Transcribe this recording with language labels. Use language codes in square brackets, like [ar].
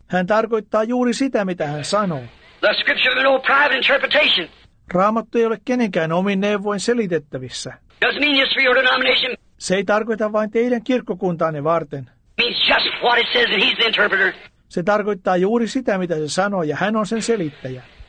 [fi] Hän tarkoittaa juuri sitä, mitä hän sanoo. [en] The scripture is no private interpretation. [fi] Raamattu ei ole kenenkään omin neuvoin selitettävissä. [en] Doesn't mean just for your denomination. [fi] Se ei tarkoita vain teidän kirkkokuntaanne varten. [en] Means just what it says, and he's the interpreter. [fi] Se tarkoittaa juuri sitä, mitä se sanoo, ja hän on sen selittäjä.